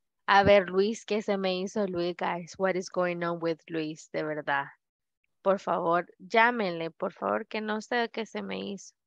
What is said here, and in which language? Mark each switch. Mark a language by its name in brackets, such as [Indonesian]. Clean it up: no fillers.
[Spanish] A ver, Luis, ¿qué se me hizo Luis, guys? [English] What is going on with Luis, [Spanish] de verdad? Por favor, llámenle, por favor, que no sé qué se me hizo.